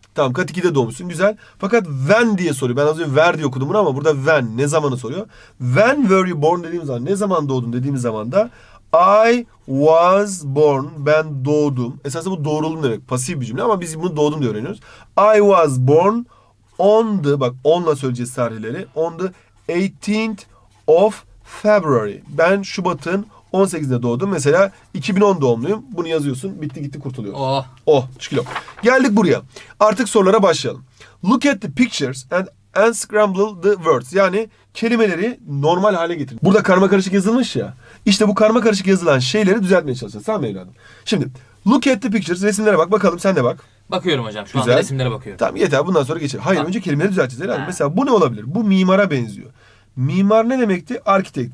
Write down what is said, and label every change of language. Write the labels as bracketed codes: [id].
[tr] Tamam kat 2'de doğmuşsun. Güzel. Fakat when diye soruyor. Ben az önce where diye okudum bunu ama burada when ne zamanı soruyor. [en] When were you born [tr] dediğim zaman ne zaman doğdun dediğim zaman da [en] I was born, [tr] ben doğdum. Esasında bu doğruldum demek, pasif bir cümle ama biz bunu doğdum diye öğreniyoruz. [en] I was born on the, [tr] bak onla söyleyeceğiz tarihleri, [en] on the 18th of February. [tr] Ben Şubat'ın 18'inde doğdum. Mesela 2010 doğumluyum. Bunu yazıyorsun, bitti gitti kurtuluyor. Oh, 2 kilo. Geldik buraya. Artık sorulara başlayalım. [en] Look at the pictures and unscramble the words. [tr] Yani kelimeleri normal hale getirin. Burada karma karışık yazılmış ya. İşte bu karma karışık yazılan şeyleri düzeltmeye çalışacağız. Tamam mı evladım? Şimdi [en] look at the pictures. [tr] Resimlere bak. Bakalım sen de bak. Bakıyorum hocam. Şu güzel. Anda resimlere bakıyorum. Tamam yeter. Bundan sonra geçelim. Hayır önce kelimeleri düzelteceğiz herhalde. Mesela bu ne olabilir? Bu mimara benziyor. Mimar ne demekti? Architect.